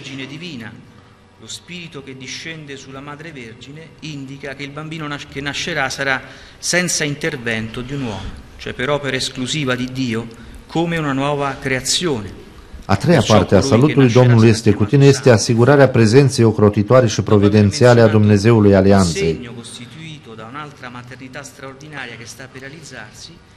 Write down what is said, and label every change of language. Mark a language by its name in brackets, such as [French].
[Italian] Lo spirito che discende sulla madre vergine indica che il bambino che nascerà sarà senza intervento di un uomo, cioè per opera esclusiva di Dio, come una nuova creazione. [Romanian] A treia parte a salutului Domnului este cu tine este asigurarea prezenței ocrotitoare și providențiale a Dumnezeului Alianței. [Italian] Segno costituito da un'altra maternità straordinaria che sta per realizzarsi.